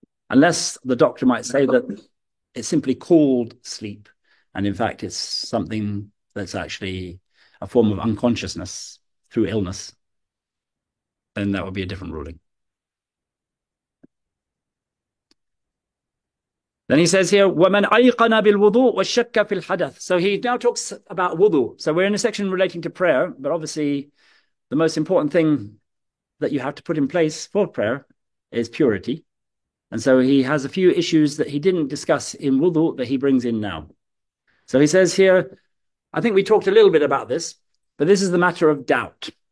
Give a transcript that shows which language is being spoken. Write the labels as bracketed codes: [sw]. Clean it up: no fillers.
[en] Unless the doctor might say that it's simply called sleep, and in fact it's something that's actually a form of unconsciousness through illness, then that would be a different ruling. Then he says here, [ar] وَمَنْ أَيْقَنَ بِالْوُضُوءِ وَالشَّكَّ فِي الْحَدَثِ. [en] So he now talks about wudu. So we're in a section relating to prayer, but obviously the most important thing that you have to put in place for prayer is purity. And so he has a few issues that he didn't discuss in wudu that he brings in now. So he says here, I think we talked a little bit about this, but this is the matter of doubt.